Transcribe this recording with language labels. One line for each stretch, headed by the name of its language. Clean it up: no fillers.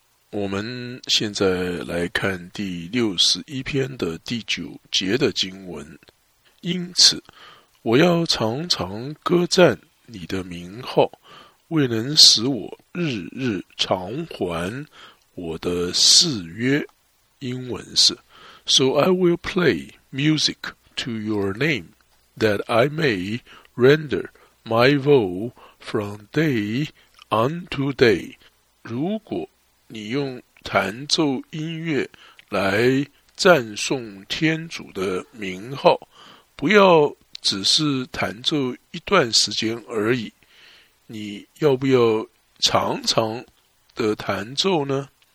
Chinese: 我们现在来看第61篇的第9的经文。因此我要常常歌赞你的名号，为能使我日日偿还我的誓约。英文是
English: So I will play music to your name, that I may render my vow from day unto day.
Chinese: 如果你用弹奏音乐来赞颂天主的名号，不要只是弹奏一段时间而已，你要不要常常的弹奏呢？